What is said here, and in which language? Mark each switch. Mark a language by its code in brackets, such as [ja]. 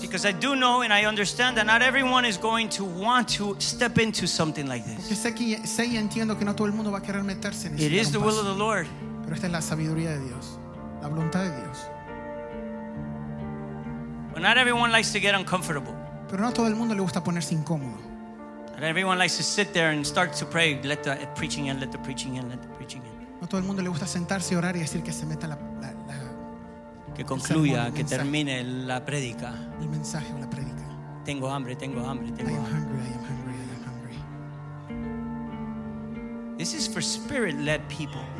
[en] Because I do know and I understand that not everyone is going to want to step into something like this. [es] Porque sé que sé y entiendo que no todo el mundo va a querer meterse en esto. [en] It is the will of the Lord. [es] Pero esta es la sabiduría de Dios, la voluntad de Dios. [en] But not everyone likes to get uncomfortable. [es] Pero no todo el mundo le gusta ponerse incómodo. [en] Not everyone likes to sit there and start to pray, let the preaching in, let the preaching in, let the preaching in. [es] No todo el mundo le gusta sentarse y orar y decir que se meta la que concluya, que termine la predica. El mensaje o la predica. Tengo hambre, tengo hambre, tengo hambre. [en] I am hungry, I am hungry, I am hungry. This is for spirit-led people.